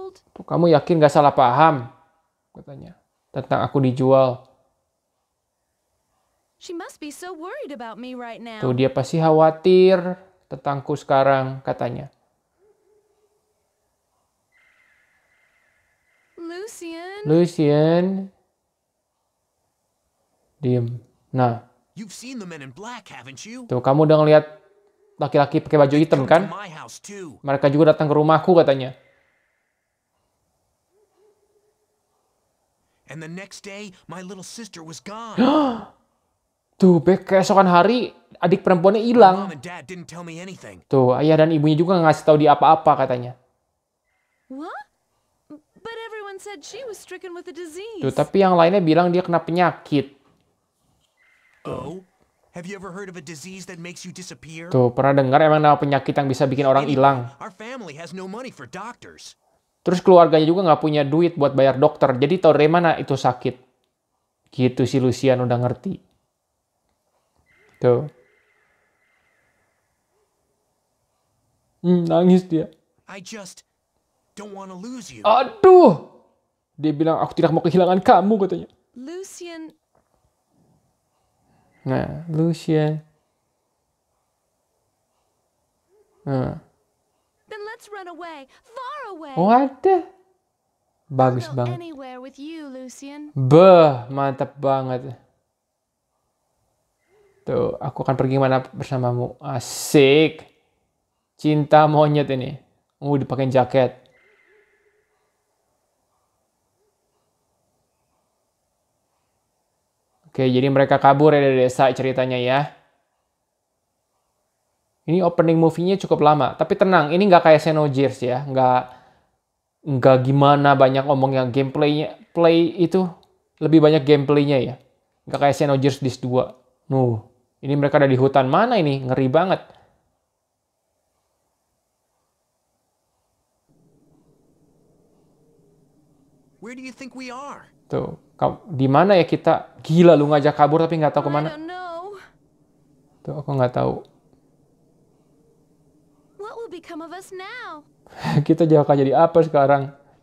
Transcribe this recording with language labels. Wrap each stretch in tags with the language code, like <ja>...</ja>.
<id>Tuh, kamu yakin gak salah paham katanya tentang aku dijual.</id> <en>She must be so worried about me right now.</en> <id>Tuh, dia pasti khawatir tentangku sekarang katanya. Lucien. Diem. Nah.</id> <en>You've seen the men in black, haven't you?</en> <id>Tuh, kamu udah ngeliat laki-laki pakai baju hitam, kan? Mereka juga datang ke rumahku, katanya.</id> <en>And the next day, my little sister was gone.</en> <id>Tuh, keesokan hari, adik perempuannya hilang. Tuh, ayah dan ibunya juga gak ngasih tahu dia apa-apa, katanya.</id> <en>What? But everyone said she was stricken with a disease.</en> <id>Tuh, tapi yang lainnya bilang dia kena penyakit.</id> <en>Oh, have you ever heard of a disease that makes you disappear?</en> <id>Tuh, pernah dengar emang nama penyakit yang bisa bikin orang hilang.</id> <en>Our family has no money for doctors.</en> <id>Terus keluarganya juga nggak punya duit buat bayar dokter, jadi tau dari mana itu sakit. Gitu si Lucien udah ngerti. Tuh. Nangis dia.</id> <en>I just don't want to lose you.</en> <id>Aduh. Dia bilang aku tidak mau kehilangan kamu katanya. Lucien. Nah, Lucian.</id> <en>Then let's run away, far away.</en> <id>What? Bagus banget.</id> <en>Anywhere with you, Lucian.</en> <id>Beh, mantap banget. Tuh, aku akan pergi mana bersamamu. Asik. Cinta monyet ini. Dipakein jaket. Oke, jadi mereka kabur ya dari desa ceritanya ya. Ini opening movie-nya cukup lama. Tapi tenang, ini nggak kayak Xenogears ya. Nggak gimana banyak omongnya. Gameplay-nya, play itu lebih banyak gameplay-nya ya. Nggak kayak Xenogears Disc 2. Ini mereka ada di hutan mana ini? Ngeri banget.</id> <en>Where do you think we are?</en> <id>Tuh, di mana ya kita? Gila lu ngajak kabur tapi nggak tahu kemana. Tuh, aku nggak tahu.</id> <en>What will become of us now?</en> <id>Kita bakal jadi apa sekarang?</id>